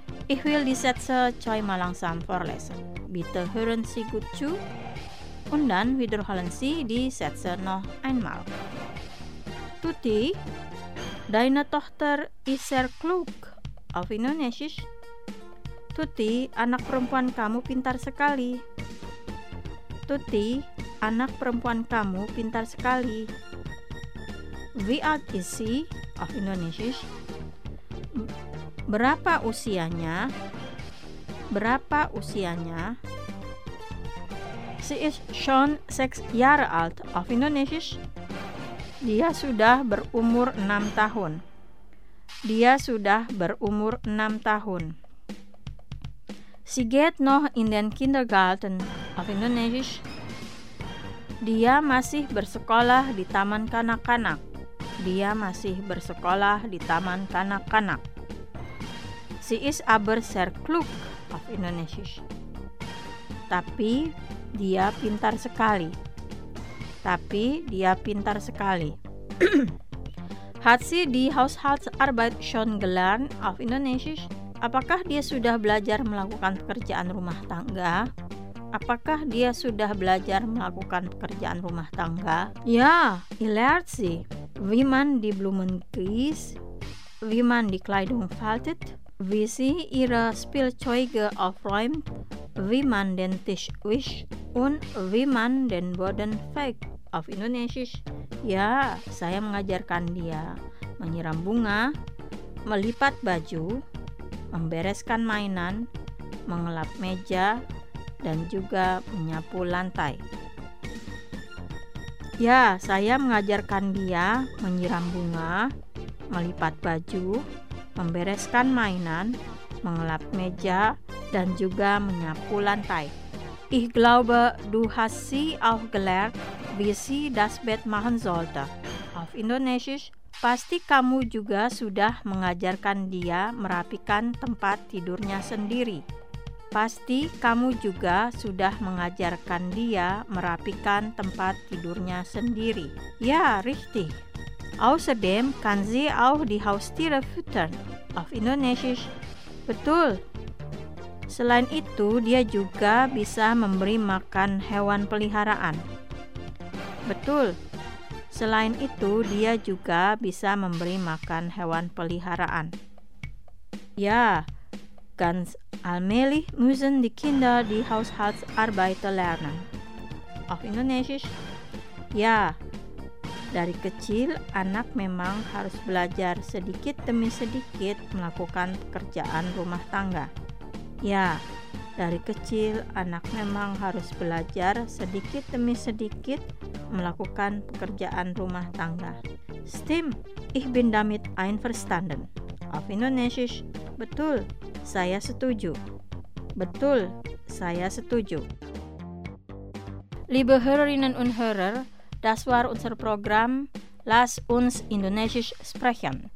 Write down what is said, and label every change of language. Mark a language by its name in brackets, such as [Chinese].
[German] Ich will die Sätze zweimal langsam vorlesen. Bitte hören Sie gut zu und dann wiederholen Sie die Sätze noch einmal. Tuti, deine Tochter ist sehr klug auf Indonesisch. [Indonesian] Tuti, anak perempuan kamu pintar sekali. Tuti, anak perempuan kamu pintar sekali. [German] Wie alt ist sie auf Indonesisch? [Indonesian] Berapa usianya? Berapa usianya? [German] Sie ist schon 6 Jahre alt auf Indonesisch. [Indonesian] Dia sudah berumur 6 tahun. Dia sudah berumur 6 tahun. [German] Sie geht noch in den Kindergarten auf Indonesisch. [Indonesian] Dia masih bersekolah di taman kanak-kanak. Dia masih bersekolah di taman kanak-kanak. [German] Sie ist aber sehr klug auf Indonesisch. [Indonesian] Tapi dia pintar sekali. Tapi dia pintar sekali. [German] Hat sie die Haushaltsarbeit schon gelernt auf Indonesisch? [Indonesian] Apakah dia sudah belajar melakukan pekerjaan rumah tangga? Apakah dia sudah belajar melakukan pekerjaan rumah tangga? Ya, ilert sih. [German] Wie man die Blumen gießt, wie man die Kleidung faltet, wie sie ihre Spielzeuge aufräumt, wie man den Tisch wischt und wie man den Boden fegt auf Indonesisch. [Indonesian] Ya, saya mengajarkan dia menyiram bunga, melipat baju, membereskan mainan, mengelap meja, dan juga menyapu lantai. Ya, saya mengajarkan dia menyiram bunga, melipat baju, membereskan mainan, mengelap meja, dan juga menyapu lantai. [German] Ich glaube, du hast sie auch gelernt, wie sie das Bett machen sollte. Auf Indonesisch. [Indonesian] Pasti kamu juga sudah mengajarkan dia merapikan tempat tidurnya sendiri. Pasti kamu juga sudah mengajarkan dia merapikan tempat tidurnya sendiri. [German] Ya, richtig. Außerdem kann sie auch die Haustiere füttern. Auf Indonesisch. [Indonesian] Betul. Selain itu, dia juga bisa memberi makan hewan peliharaan. Betul. Selain itu, dia juga bisa memberi makan hewan peliharaan. [German] Ja, ganz allmählich müssen die Kinder die Haushaltsarbeit lernen. Auf Indonesisch? [Indonesian] Ja, dari kecil anak memang harus belajar sedikit demi sedikit melakukan pekerjaan rumah tangga. Ja, dari kecil anak memang harus belajar sedikit demi sedikit melakukan pekerjaan rumah tangga. [German] Stim, ich bin damit einverstanden. Auf Indonesisch. [Indonesian] Betul, saya setuju. Betul, saya setuju. [German] Liebe Hörerinnen und Hörer, das war unser Programm Lass uns Indonesisch sprechen.